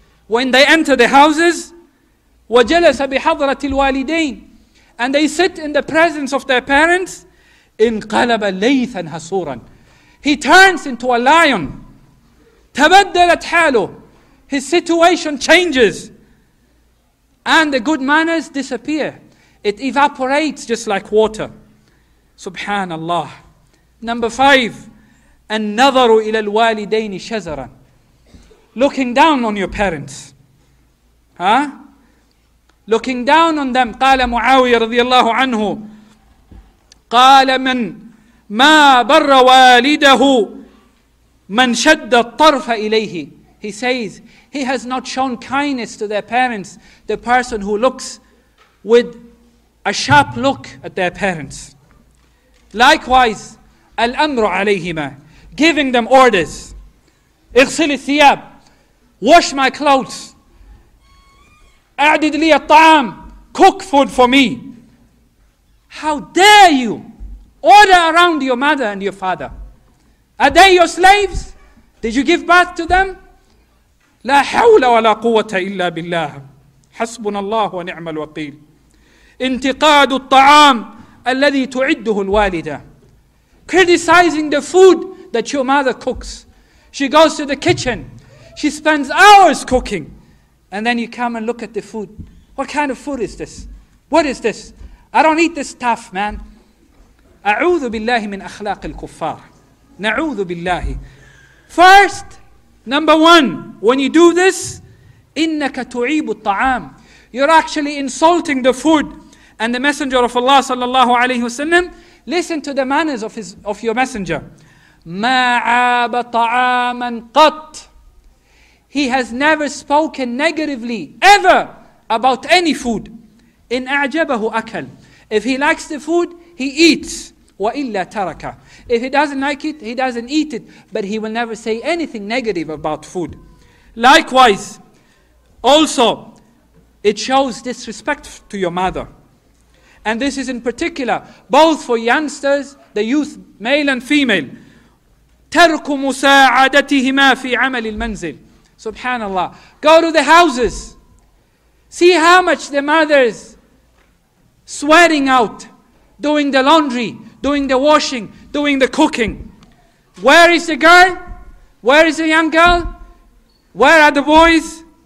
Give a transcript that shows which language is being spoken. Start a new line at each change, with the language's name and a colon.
English: When they enter the houses,
Arabic: وَجَلَسَ بِحَضْرَةِ الْوَالِدَيْنِ,
English: and they sit in the presence of their parents,
Arabic: انقلب ليثا هسورا.
English: He turns into a lion.
Arabic: تبدلت حاله.
English: His situation changes. And the good manners disappear. It evaporates just like water. Subhanallah. Number five.
Arabic: النظر إلى الوالدين شزرا.
English: Looking down on your parents. Huh? Looking down on them.
Arabic: قال معاوية رضي الله عنه قال من ما بر والده من شد الطرف إليه.
English: He says, he has not shown kindness to their parents, the person who looks with a sharp look at their parents. Likewise,
Arabic: الأمر عليهما,
English: giving them orders.
Arabic: اغسل الثياب,
English: wash my clothes.
Arabic: أعدد لي الطعام,
English: cook food for me. How dare you order around your mother and your father? Are they your slaves? Did you give birth to them?
Arabic: لا حول ولا قوة إلا بالله حسبنا الله ونعم الوكيل. انتقاد الطعام الذي تعده الوالدة.
English: Criticizing the food that your mother cooks. She goes to the kitchen. She spends hours cooking. And then you come and look at the food. What kind of food is this? What is this? I don't eat this stuff, man.
Arabic: أعوذ بالله من أخلاق الكفار. نعوذ بالله.
English: First, number one, when you do this,
Arabic: إنك تعيب الطعام.
English: You're actually insulting the food. And the Messenger of Allah
Arabic: صلى الله عليه وسلم,
English: listen to the manners of your Messenger.
Arabic: ما عاب طعاما قط.
English: He has never spoken negatively ever about any food.
Arabic: إن أعجبه أكل.
English: If he likes the food, he eats.
Arabic: وإلا ترك.
English: If he doesn't like it, he doesn't eat it. But he will never say anything negative about food. Likewise, also, it shows disrespect to your mother. And this is in particular, both for youngsters, the youth, male and female.
Arabic: ترك مساعدتهما في عمل المنزل.
English: Subhanallah. Go to the houses. See how much the mothers sweating out, doing the laundry, doing the washing, doing the cooking. Where is the girl? Where is the young girl? Where are the boys?